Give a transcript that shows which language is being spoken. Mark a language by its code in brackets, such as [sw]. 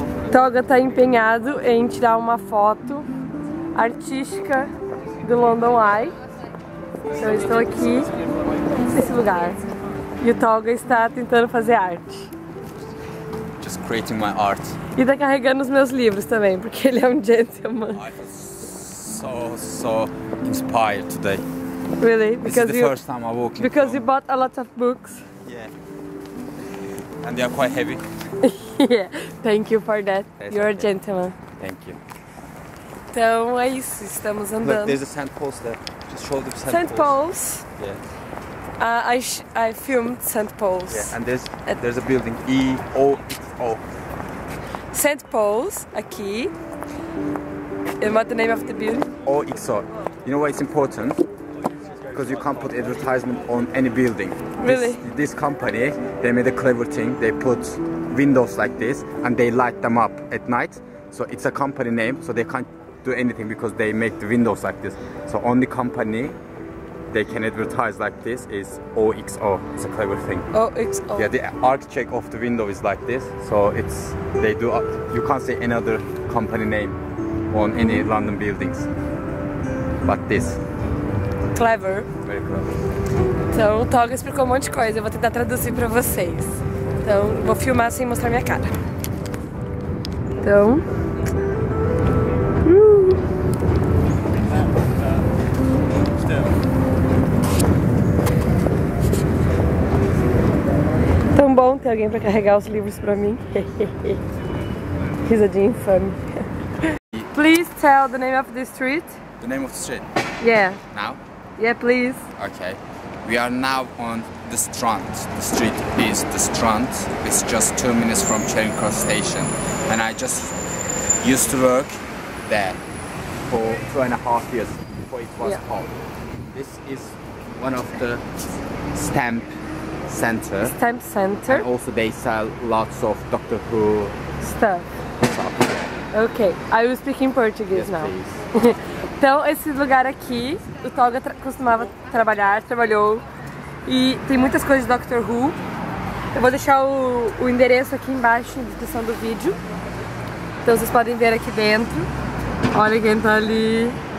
[pt] Toga tá empenhado em tirar uma foto artística do London Eye. Então, eu estou aqui nesse lugar. E o Toga está tentando fazer arte. [en] Just creating my art. [pt] E está carregando os meus livros também, porque ele é um gentleman. [en] I'm so, so inspired today. Really? Because this is the first time I'm walking. Because you bought a lot of books. Yeah. And they are quite heavy. Yeah. Thank you for that. It's You're okay. A gentleman. Thank you. [pt] Então é isso, estamos andando. [en] Look, there's a sand poles there. Just show the sand, sand poles. Yeah. I filmed sand poles. Yeah, and there's a building. E-O-O. Sand poles, aqui. And what the name of the building? O-X-O. You know why it's important? Because you can't put advertisement on any building. Really? This company, they made a clever thing. They put windows like this and they light them up at night. So it's a company name, so they can't do anything because they make the windows like this. So only company they can advertise like this is OXO. It's a clever thing. OXO. Yeah, the architect of the window is like this. So it's they do. You can't say any other company name on any London buildings, but this. Clever. Very clever. [pt] Então, o Toga explicou um monte de coisa. Eu vou tentar traduzir para vocês. Então, vou filmar sem mostrar minha cara. Então. Tão bom ter alguém para carregar os livros para mim. Risadinha infame. [en] Please tell the name of the street. The name of the street? Yeah. Now? Yeah, please. Okay. We are now on the Strand. The street is the Strand. It's just 2 minutes from Charing Cross Station. And I just used to work there for 2.5 years before it was home. This is one of the stamp center. Stamp center. And also they sell lots of Doctor Who stuff. Okay, I will speak in Portuguese yes, now. Please. [pt] Então esse lugar aqui, o Toga costumava trabalhar, trabalhou e tem muitas coisas do Doctor Who. Eu vou deixar o endereço aqui embaixo na descrição do vídeo. Então vocês podem ver aqui dentro. Olha quem tá ali.